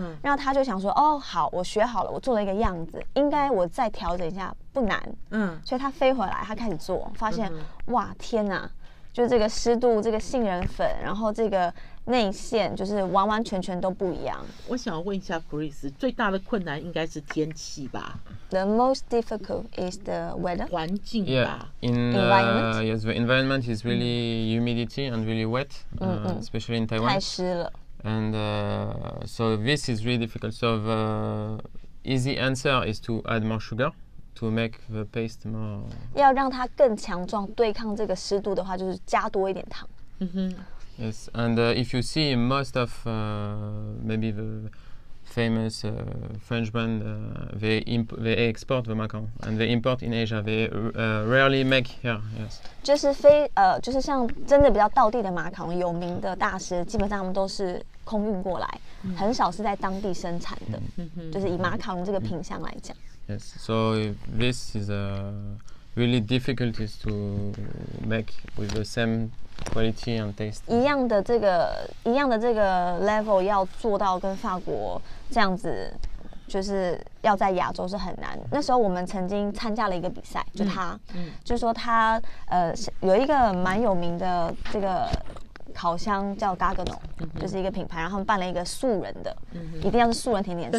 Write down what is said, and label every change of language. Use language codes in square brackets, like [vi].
[zh] 然后他就想说，哦，好，我学好了，我做了一个样子，应该我再调整一下不难。所以他飞回来，他开始做，发现哇，天哪！就这个湿度，这个杏仁粉，然后这个内馅，就是完完全全都不一样。我想问一下 Chris， 最大的困难应该是天气吧？ [en] The most difficult is the weather. [zh] 环境吧。 [en] Yeah, environment. Yes, the environment is really humidity and really wet, especially in Taiwan. [zh] 太湿了。 [en] And so this is really difficult. So the easy answer is to add more sugar. To make the paste more, [zh] 要让它更强壮，对抗这个湿度的话，就是加多一点糖。 [en] Yes, and if you see most of maybe the famous French brand. They export the macaron and they import in Asia. They rarely make here. Yes. [zh] 就是非就是像真的比较道地的马卡龙，有名的大师，基本上他们都是空运过来，很少是在当地生产的。就是以马卡龙这个品项来讲。 [en] Yes. So this is a really difficulties to make with the same. Quality and taste [zh] 一样的这个一样的这个 level 要做到跟法国这样子，就是要在亚洲是很难。那时候我们曾经参加了一个比赛，就他，就说他有一个蛮有名的这个烤箱叫 Gaggenau，就是一个品牌，然后他们办了一个素人的，一定要是素人甜点师，